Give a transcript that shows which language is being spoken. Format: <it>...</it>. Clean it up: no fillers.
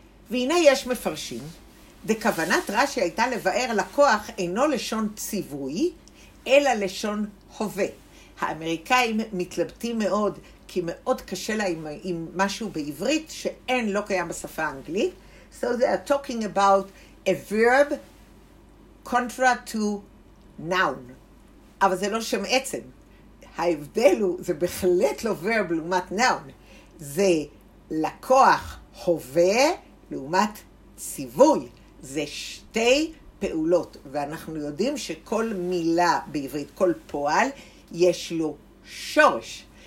<he>והנה יש מפרשים, דכוונת רשי הייתה לבאר לקוח אינו לשון ציווי, אלא לשון הווה. האמריקאים מתלבטים מאוד, כי מאוד קשה להם עם משהו בעברית שאין, לא קיים בשפה האנגלית.</he> <en>So they are talking about a verb contra to noun.</en> <he>אבל זה לא שם עצם. ההבדל הוא, זה בהחלט לא verb לעומת noun. זה לקוח הווה לעומת ציווי. זה שתי פעולות. ואנחנו יודעים שכל מילה בעברית, כל פועל, יש לו שורש.</he>